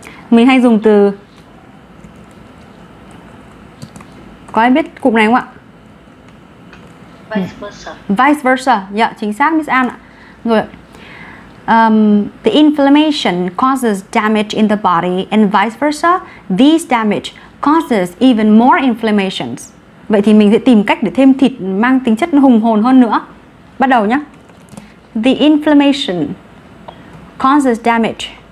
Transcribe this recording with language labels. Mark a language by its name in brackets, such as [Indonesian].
[Vietnamese] Mình hay dùng từ, có ai biết cụm này không ạ? [English] Vice versa. Vice versa. [Vietnamese] Dạ, chính xác Miss An ạ. Rồi. [English] The inflammation causes damage in the body and vice versa, these damage causes even more inflammations. [Vietnamese] Vậy thì mình sẽ tìm cách để thêm thịt mang tính chất hùng hồn hơn nữa. Bắt đầu nhá. [English] The inflammation causes damage.